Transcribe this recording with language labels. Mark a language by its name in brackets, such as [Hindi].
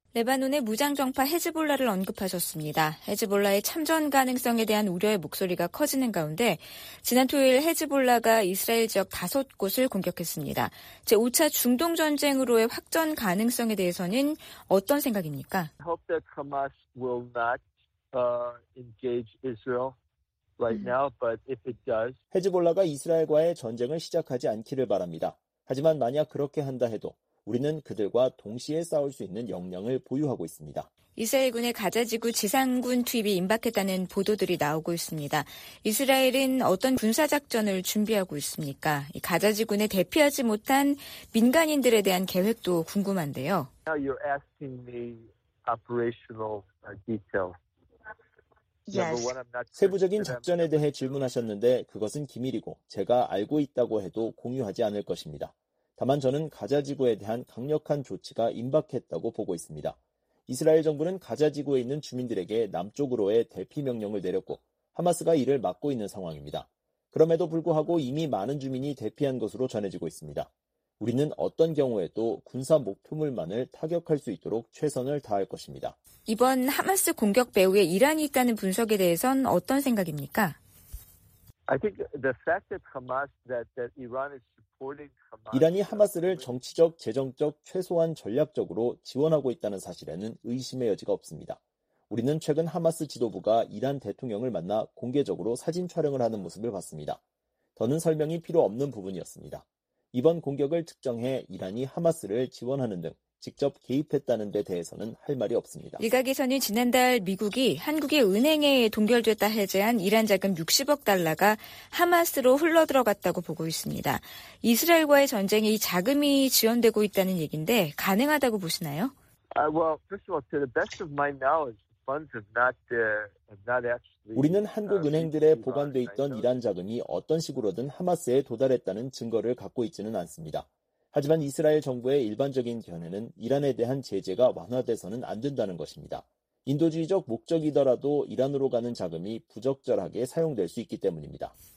[Korean] 레바논의 무장정파 헤즈볼라를 언급하셨습니다. 헤즈볼라의 참전 가능성에 대한 우려의 목소리가 커지는 가운데 지난 토요일 헤즈볼라가 이스라엘 지역 다섯 곳을 공격했습니다. 제5차 중동전쟁으로의 확전 가능성에 대해서는 어떤 생각입니까? [English] I hope that Hamas will not engage Israel right now, but if it does... [Korean] 헤즈볼라가 이스라엘과의 전쟁을 시작하지 않기를 바랍니다. 하지만 만약 그렇게 한다 해도 우리는 그들과 동시에 싸울 수 있는 역량을 보유하고 있습니다. 이스라엘군의 가자지구 지상군 투입이 임박했다는 보도들이 나오고 있습니다. 이스라엘은 어떤 군사작전을 준비하고 있습니까? 이 가자지군에 대피하지 못한 민간인들에 대한 계획도 궁금한데요. [English] Now you're asking me operational details. Yes. [Korean] 세부적인 작전에 대해 질문하셨는데 그것은 기밀이고 제가 알고 있다고 해도 공유하지 않을 것입니다. 다만 저는 가자지구에 대한 강력한 조치가 임박했다고 보고 있습니다. 이스라엘 정부는 가자지구에 있는 주민들에게 남쪽으로의 대피 명령을 내렸고 하마스가 이를 막고 있는 상황입니다. 그럼에도 불구하고 이미 많은 주민이 대피한 것으로 전해지고 있습니다. 우리는 어떤 경우에도 군사 목표물만을 타격할 수 있도록 최선을 다할 것입니다. 이번 하마스 공격 배후에 이란이 있다는 분석에 대해선 어떤 생각입니까? [English] I think the fact that Hamas that Iran is supporting Hamas [Korean] 이란이 하마스를 정치적, 재정적, 최소한 전략적으로 지원하고 있다는 사실에는 의심의 여지가 없습니다. 우리는 최근 하마스 지도부가 이란 대통령을 만나 공개적으로 사진 촬영을 하는 모습을 봤습니다. 더는 설명이 필요 없는 부분이었습니다. 이번 공격을 측정해 이란이 하마스를 지원하는 등 직접 개입했다는 데 대해서는 할 말이 없습니다. 일각에서는 지난달 미국이 한국의 은행에 동결됐다 해제한 이란 자금 60억 달러가 하마스로 흘러들어갔다고 보고 있습니다. 이스라엘과의 전쟁에 이 자금이 지원되고 있다는 얘기인데 가능하다고 보시나요? [English] Well, first of all, to the best of my knowledge, funds have not actually [Korean] 우리는 한국은행들에 보관돼 있던 이란 자금이 어떤 식으로든 하마스에 도달했다는 증거를 갖고 있지는 않습니다. 하지만 이스라엘 정부의 일반적인 견해는 이란에 대한 제재가 완화돼서는 안 된다는 것입니다. 인도주의적 목적이더라도 이란으로 가는 자금이 부적절하게 사용될 수 있기 때문입니다.